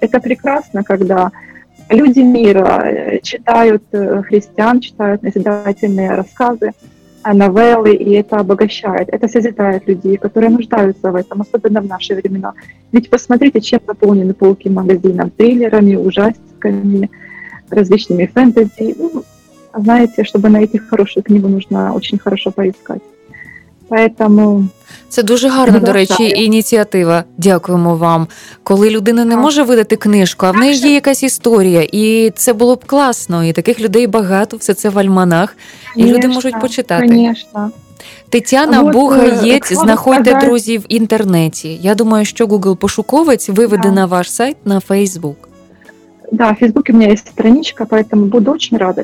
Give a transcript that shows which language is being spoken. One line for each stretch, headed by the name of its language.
Russian: Это прекрасно, когда люди мира читают христиан, читают назидательные рассказы, новеллы, и это обогащает, это созидает людей, которые нуждаются в этом, особенно в наши времена. Ведь посмотрите, чем заполнены полки магазинов: триллерами, ужастиками, различными фэнтези. Ну, знаете, чтобы найти хорошую книгу, нужно очень хорошо поискать. Поэтому
Ukrainian: це дуже гарна, до речі, ініціатива. Дякуємо вам. Коли людина не може видати книжку, а в неї є якась історія, і це було б класно. І таких людей багато, все це в альманах, і люди можуть почитати. Звісно. Тетяна Бугаєць, знаходьте, друзі, в інтернеті. Я думаю, що Google пошуковець виведе на ваш сайт на Facebook.
Russian: Да, в Facebook
Ukrainian: у мене є
Russian: страничка, поэтому буду очень рада.